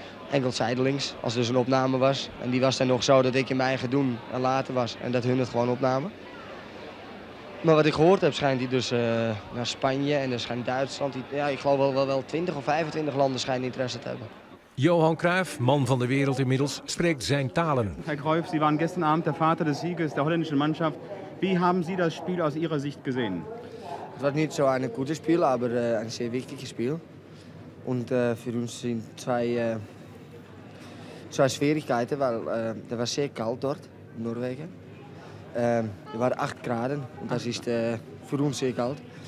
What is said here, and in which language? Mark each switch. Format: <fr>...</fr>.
<nl>Enkel zijdelings, als er dus een opname was. En die was dan nog zo dat ik in mijn eigen doen en laten was. En dat hun het gewoon opnamen. Maar wat ik gehoord heb, schijnt die dus naar Spanje en dus schijnt Duitsland. Die, ja, ik geloof wel 20 of 25 landen schijnt interesse te hebben. Johan Cruijff, man van de wereld inmiddels, spreekt zijn talen.</nl> <de>Herr Cruijff, Sie waren gisteravond</de> <nl>de vader</nl> <de>des Sieges der holländischen Mannschaft. Wie hebben Sie das Spiel aus Ihrer Sicht gesehen?</de> <nl>Het was niet zo'n goed spiel, maar een zeer</nl> <de>wichtig spiel.</de> <nl>En voor ons zijn twee</nl> <de>schwierigkeiten, weil</de> <nl>het was zeer koud</nl> <de>dort</de> <nl>in Noorwegen. Er waren 8 graden, en dat is voor ons zeer koud.</nl>